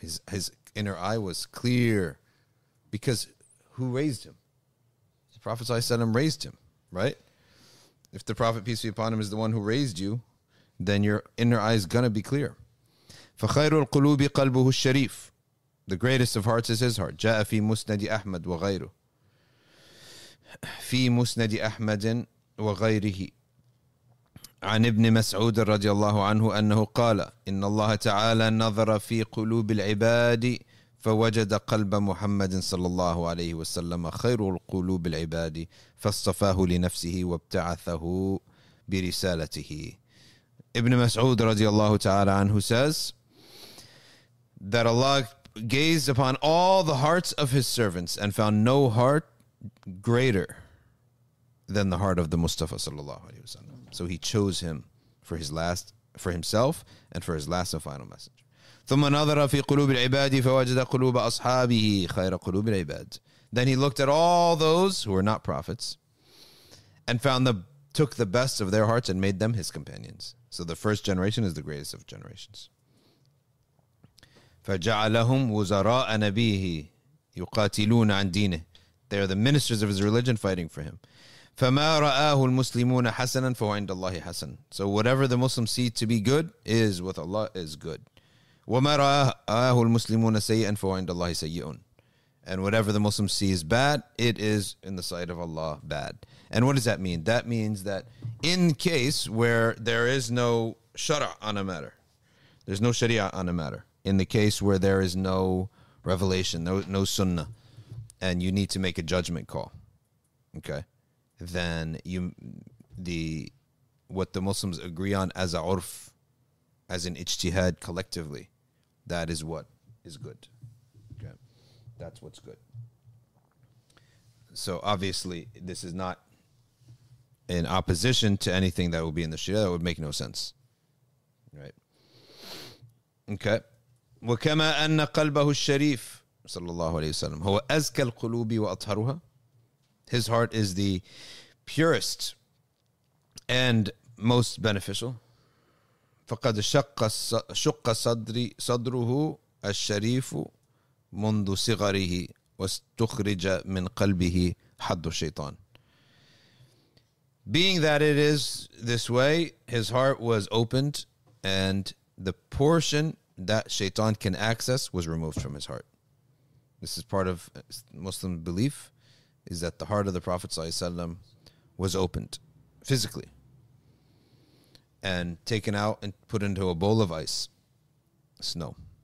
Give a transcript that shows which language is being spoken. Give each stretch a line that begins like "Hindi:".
English: His inner eye was clear, because who raised him? The Prophet ﷺ raised him, right? If the Prophet, peace be upon him, is the one who raised you, then your inner eye is going to be clear.
Arabic: فَخَيْرُ الْقُلُوبِ قَلْبُهُ الشَّرِيفِ.
English: The greatest of hearts is his heart.
Arabic: جَاءَ فِي مُسْنَدِ أَحْمَدْ وَغَيْرُهُ في مسند أحمد وغيره عن ابن مسعود رضي الله عنه أنه قال إن الله تعالى نظر في قلوب العباد فوجد قلب محمد صلى الله عليه وسلم خير القلوب العباد فاصطفاه لنفسه وابتعثه برسالته. ابن مسعود رضي الله تعالى عنه
English: says that Allah gazed upon all the hearts of his servants and found no heart greater than the heart of the Mustafa sallallahu alaihi wasallam. So he chose him for his last, for himself, and for his last and final message.
Arabic: ثم نظر في قلوب العباد فوجد قلوب أصحابه خير قلوب العباد.
English: Then he looked at all those who were not prophets, and found the took the best of their hearts and made them his companions. So the first generation is the greatest of generations.
Arabic: فجعلهم وزراء نبيه يقاتلون عن دينه.
English: They are the ministers of his religion fighting for him.
Arabic: فَمَا رَآهُ الْمُسْلِمُونَ حَسَنًا فَهُ عِنْدَ اللَّهِ حَسَنًا.
English: So whatever the Muslims see to be good is with Allah is good.
Arabic: وَمَا رَآهُ الْمُسْلِمُونَ سَيِّئًا فَهُ عِنْدَ اللَّهِ سَيِّئٌ.
English: And whatever the Muslim sees bad, it is in the sight of Allah bad. And what does that mean? That means that in case where there is no shara' on a matter, there's no sharia on a matter, in the case where there is no revelation, no sunnah, and you need to make a judgment call, okay, then you the what the Muslims agree on as a urf, as an ijtihad collectively, that is what is good. Okay, that's what's good. So obviously, this is not in opposition to anything that would be in the Sharia. That would make no sense, right? Okay.
Arabic: وكما أن قلبه الشريف صلى الله عليه وسلم هو أزكى القلوب وأطهرها.
English: His heart is the purest and most beneficial.
Arabic: فقد شق صدري صدره الشريف منذ صغره واستخرج من قلبه حد الشيطان.
English: Being that it is this way, his heart was opened, and the portion that shaitan can access was removed from his heart. This is part of Muslim belief, is that the heart of the Prophet ﷺ was opened physically and taken out and put into a bowl of ice, snow.